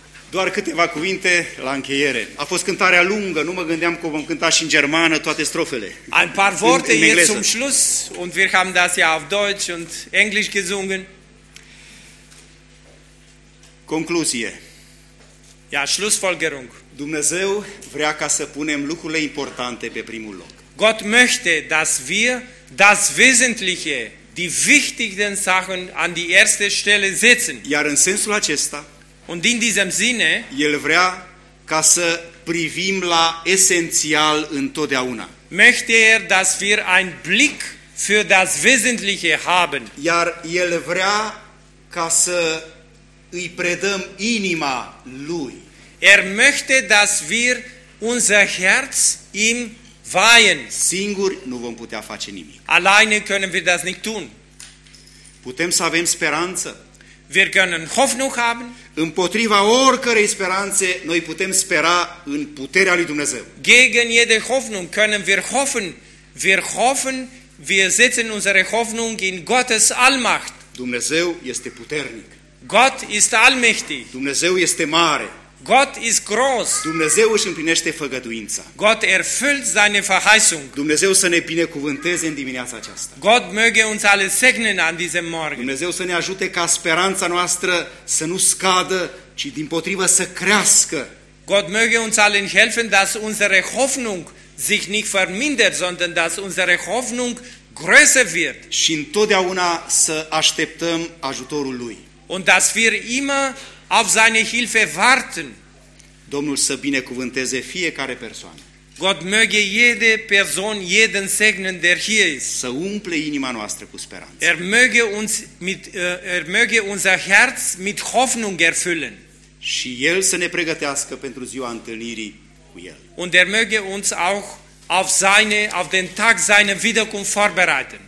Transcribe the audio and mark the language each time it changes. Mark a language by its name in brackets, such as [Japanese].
[Romanian] Doar câteva cuvinte la încheiere. A fost cântarea lungă, nu mă gândeam că o vom cânta și în germană toate strofele. [German] Ein paar Worte hier zum Schluss und wir haben das ja auf Deutsch und Englisch gesungen. [Romanian] Concluzie. [German] Ja, Schlussfolgerung. [Romanian] Dumnezeu vrea ca să punem lucrurile importante pe primul loc. [German] Gott möchte, dass wir das Wesentliche, die wichtigen Sachen an die erste Stelle setzen. [Romanian] Iar în sensul acesta, [German] und in diesem Sinne, [Romanian] el vrea ca să privim la esențial întotdeauna. [German] Möchte er, dass wir einen Blick für das Wesentliche haben. [Romanian] Iar el vrea ca să îi predăm inima lui. [German] Er möchte, dass wir unser Herz ihm weihen. [Romanian] Singuri nu vom putea face nimic. [German] Alleine können wir das nicht tun. [Romanian] Putem să avem speranță. [German] Wir können Hoffnung haben. [Romanian] Împotriva oricărei speranțe, noi putem spera în puterea lui Dumnezeu. [German] Gegen jede Hoffnung können wir hoffen. Wir hoffen, wir setzen unsere Hoffnung in Gottes Allmacht. [Romanian] Dumnezeu este puternic. [German] Gott ist allmächtig. [Romanian] Dumnezeu este mare. [German] Gott ist groß. [Romanian] Dumnezeu își împlinește făgăduința. [German] Gott erfüllt seine Verheißung. [Romanian] Dumnezeu să ne binecuvânteze în dimineața aceasta. [German] Gott möge uns alle segnen an diesem Morgen. [Romanian] Dumnezeu să ne ajute ca speranța noastră să nu scadă, ci dimpotrivă să crească. [German] Gott möge uns allen helfen, dass unsere Hoffnung sich nicht vermindert, sondern dass unsere Hoffnung größer wird. [Romanian] Și întotdeauna să așteptăm ajutorul lui. [German] Und dass wir immer auf seine Hilfe warten. [Romanian] Domnul să binecuvânteze fiecare persoană. [German] Gott möge jede Person, jeden segnen, der hier ist. [Romanian] Să umple inima noastră cu speranță. [German] Er möge unser Herz mit Hoffnung erfüllen. [Romanian] Și el să ne pregătească pentru ziua întâlnirii cu el. [German] Und er möge uns auch auf den Tag seiner Wiederkunft vorbereiten.